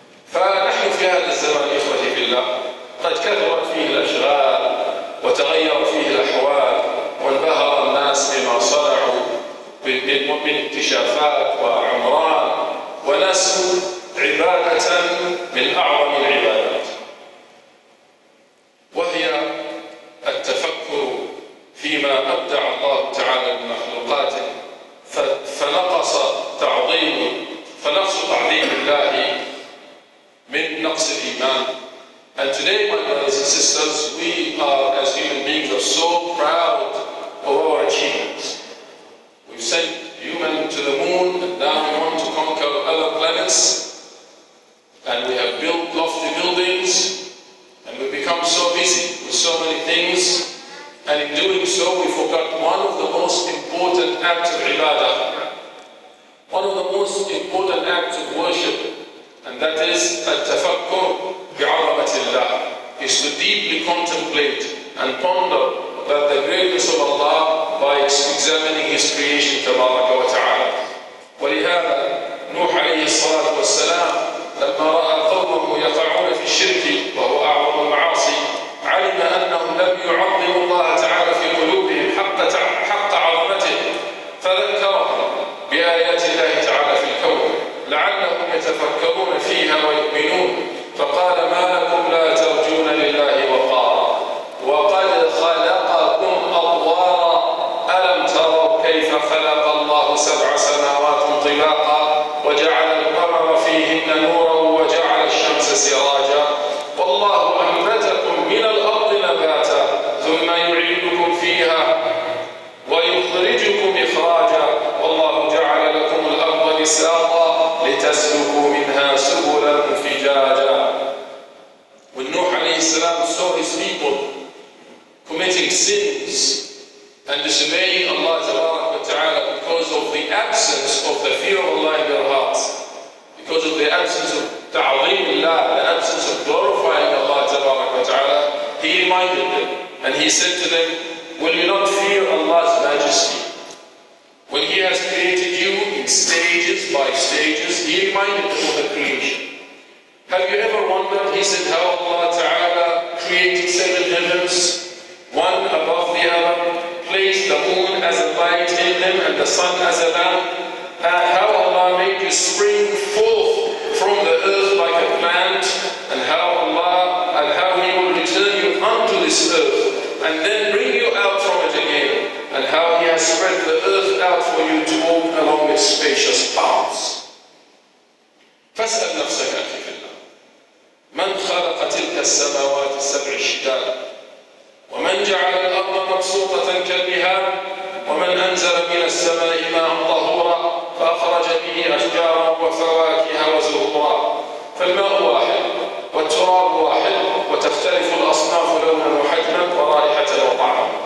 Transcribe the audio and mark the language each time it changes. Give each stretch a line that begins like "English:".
Arabic: فنحن في هذا الزمان إخوتي بالله قد كثرت فيه الأشغال وتغير فيه الأحوال وانبهر الناس بما صنعوا من اكتشافات وعمران ونسوا عبادة من أعظم العبادات وهي التفكر فيما أبدع الله تعالى من مخلوقاته فنقص تعظيم الله من نقص الإيمان.
English: And today, my brothers and sisters, we are, as human beings, are so proud of our achievements. We've sent humans to the moon, now we want to conquer other planets, and we have built lofty buildings, and we've become so busy with so many things, and in doing so, we forgot one of the most important acts of ibadah, one of the most important acts of worship, and that is
Arabic: التفكر بعظمة الله,
English: is to deeply contemplate and ponder about the greatness of Allah by examining His creation,
Arabic: تبارك وتعالى. ولهذا نوح عليه الصلاة والسلام لما رأى قومه يقعون في الشرك وهو أعظم المعاصي علم أنهم لم يعظموا الله تعالى في قلوبهم حق عظمته فذكرهم بآيات الله تعالى في الكون لعلهم يتفكرون فيها ويؤمنون فقال ما لكم لا ترجون لله وقارا وقد خلقكم أطوارا ألم تروا كيف خلق الله سبع سماوات طباقا وجعل القمر فيهن نورا وجعل الشمس سراجا والله أنبتكم من الأرض نباتا ثم يعيدكم فيها ويخرجكم إخراجا والله جعل لكم الأرض بساطا لتسلكوا منها سبلا فجاجا.
English: When Nuh
Arabic: عليه السلام
English: saw his people committing sins and disobeying Allah Ta'ala because of the absence of the fear of Allah in their hearts, because of the absence of ta'zim Allah, the absence of glorifying Allah Ta'ala, he reminded them and he said to them, will you not fear Allah's majesty? When he has created you in stages by stages, he reminded them of the creation. Have you ever wondered, he said, how Allah Ta'ala created seven heavens, one above the other, placed the moon as a light in them and the sun as a lamp, and how Allah made you spring forth from the earth like a plant, and how He will return you unto this earth, and then bring you out from it again, and how He has spread the earth out for you to walk along its spacious paths.
Arabic: فاسأل نفسك من خلق تلك السماوات السبع الشداد ومن جعل الأرض مبسوطة كالبهار ومن أنزل من السماء ماء طهورا فأخرج به أشجارا وفواكه وزهورا فالماء واحد والتراب واحد وتختلف الأصناف لونا وحجما ورائحة وطعما.